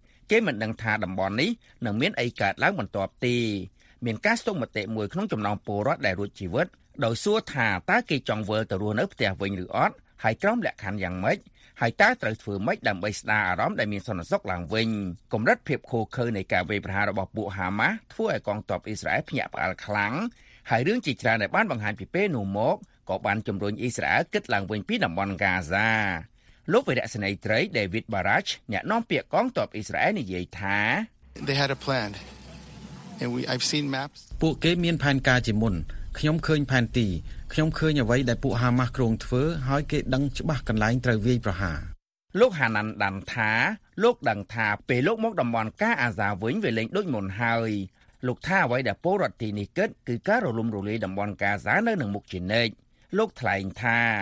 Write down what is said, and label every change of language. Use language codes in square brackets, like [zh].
[km] គេមិនដឹងថាតំបន់នេះនឹងមានអីកើតឡើងបន្ទាប់ទេមានការស្ទង់មតិមួយក្នុងចំណោមពលរដ្ឋដែលរួចជីវិតដោយសួរថាតើគេចង់វិលទៅរស់នៅផ្ទះវិញឬអត់ហើយក្រុមលក្ខខណ្ឌយ៉ាងម៉េចហើយតើត្រូវធ្វើម៉េចដើម្បីស្ដារអារម្មណ៍ដែលមានសន្តិសុខឡើងវិញកម្រិតភាពខូចខើនៃការវាយប្រហាររបស់ពួកហាម៉ាស់ធ្វើឲ្យកងទ័ពអ៊ីស្រាអែលភ្ញាក់ផ្អើលខ្លាំង ហើយរឿងជាច្រើនដែលបានបង្ហាញពីពេលនោះមកក៏បានជំរុញអ៊ីស្រាអែលគិតឡើងវិញពីតំបន់កាហ្សាលោកវិរៈសេនីយ៍ត្រី David Barach អ្នកនាំពាក្យកងទ័ពអ៊ីស្រាអែលនិយាយថា [en] They had a plan and I've seen maps [km] ពួកគេមានផែនការជាមុនខ្ញុំឃើញផែនទីខ្ញុំឃើញអ្វីដែលពួកហាម៉ាស់គ្រោងធ្វើហើយគេដឹងច្បាស់កន្លែងត្រូវវាយប្រហារ លោកហានានដាន់ថាលោកដឹងថាពេលលោកមកតំបន់កាអាសាវិញវាលែងដូចមុនហើយលោកថាអ្វីដែលពលរដ្ឋទីនេះគិតគឺការរលំរលាយតំបន់កាសានៅនឹងមុខជានិច្ចលោកថ្លែងថា